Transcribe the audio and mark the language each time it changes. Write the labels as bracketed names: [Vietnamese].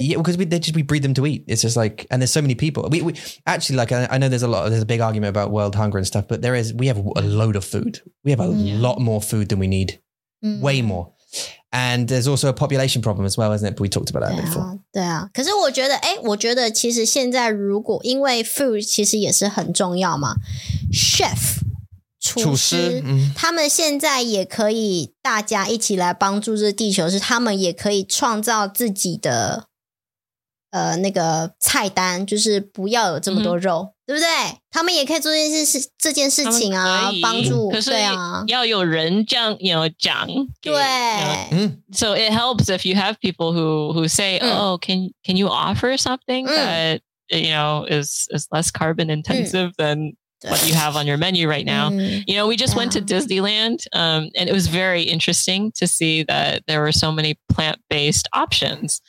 [English] Yeah, because we breed them to eat. It's just like, and there's so many people. We actually, like, I know there's a big argument about world hunger and stuff, but we have a load of food. We have a lot more food than we need. Mm. Way more. And there's also a population problem as well, isn't it? But we talked about that before. [Chinese] 对啊,可是我觉得其实现在如果因为 food其实也是很重要嘛, chef, 厨师，他们现在也可以大家一起来帮助这地球，是他们也可以创造自己的那个菜单，就是不要有这么多肉，对不对？他们也可以做这件事情啊，帮助，对啊。要有人这样讲，对。 [English] So it helps if you have people who say, "Oh, can you offer something that you know is less carbon intensive than what you have on your menu right now?" You know, we just went to Disneyland and it was very interesting to see that there were so many plant-based options.